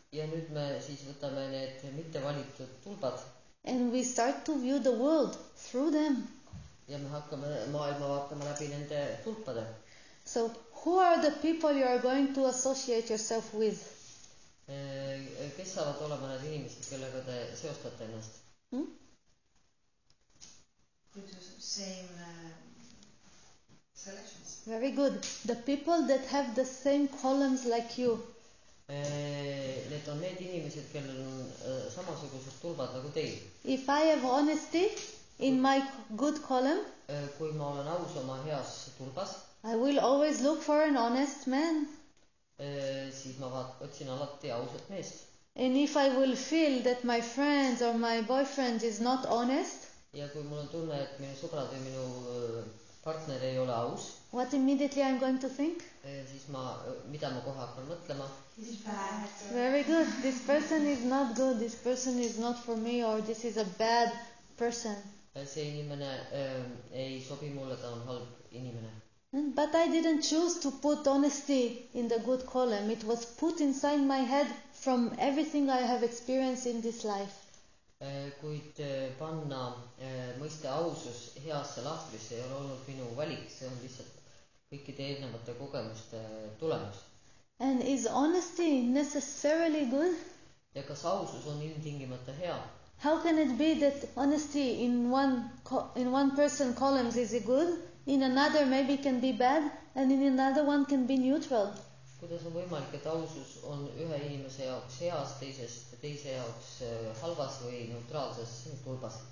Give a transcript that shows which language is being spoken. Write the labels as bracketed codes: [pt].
[et] Ja nüüd me siis võtame need mitte valitud tulbad. [en] And we start to view the world through them. [et] Ja me hakkame maailma vaatama läbi nende tulpade. [en] So who are the people you are going to associate yourself with? [et] Kes saavad olema need inimesed, kellega te seostate ennast? Hmm? [en] Same selections. Very good. The people that have the same columns like you. [et] Need on need inimesed, kellel on samasugused tulbad nagu teil. [en] If I have honesty in my good column, [et] kui ma olen aus oma heas tulbas, [en] I will always look for an honest man. [et] Siis ma otsin alati ausat meest. [en] And if I will feel that my friends or my boyfriend is not honest, [et] ja kui mul on tunne, et minu sõbrad või minu partner ei ole aus, [en] what immediately I'm going to think? [et] Siis ma, mida ma koha hakkan mõtlema? [en] Very good. This person is not good. This person is not for me or this is a bad person. [et] See inimene ei sobi mulle, ta on halb inimene. [en] But I didn't choose to put honesty in the good column. It was put inside my head from everything I have experienced in this life. [et] Kuid panna mõiste ausus heasse lahtrisse ei ole olnud minu valik, see on lihtsalt kõikide eelnevate kogemuste tulemus. [en] And is honesty necessarily good? [et] Ja kas ausus on ilmtingimata hea? [en] How can it be that honesty in one person columns is it good? in another maybe can be bad, and in another one can be neutral. [et] Kuidas on võimalik, et ausus on ühe inimese jaoks heas, teises ja teise jaoks halvas või neutraalses tulbas?